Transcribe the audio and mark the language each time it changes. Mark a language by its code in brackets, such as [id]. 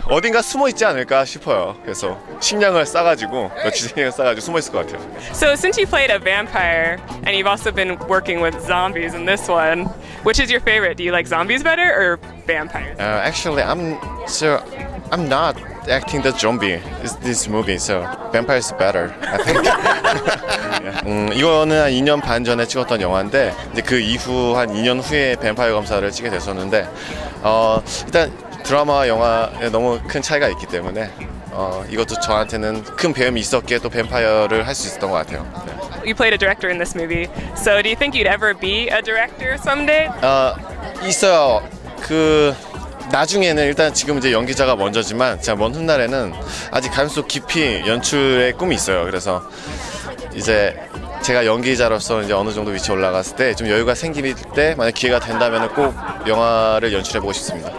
[ko] 어딘가 숨어 있지 않을까 싶어요. 그래서 식량을 싸가지고 며칠 식량을 싸가지고 숨어 있을 것 같아요. [en] So since you played a vampire and you've also been working with zombies in this one, which is your favorite? Do you like zombies better or vampires? Actually, I'm not acting the zombie in this movie, so vampires better, I think. [ko] 이거는 한 2년 반 전에 찍었던 영화인데 이제 그 이후 한 2년 후에 뱀파이어 검사를 찍게 됐었는데 일단 드라마와 영화에 너무 큰 차이가 있기 때문에 이것도 저한테는 큰 배움이 있었기에 또 뱀파이어를 할 수 있었던 것 같아요. [en] You played a director in this movie. So do you think you'd ever be a director someday? [ko] 있어요. 그 나중에는 일단 지금 이제 연기자가 먼저지만 제가 먼 훗날에는 아직 가슴 속 깊이 연출의 꿈이 있어요. 그래서 이제 제가 연기자로서 이제 어느 정도 위치 올라갔을 때 좀 여유가 생길 때 만약 기회가 된다면 꼭 영화를 연출해 보고 싶습니다.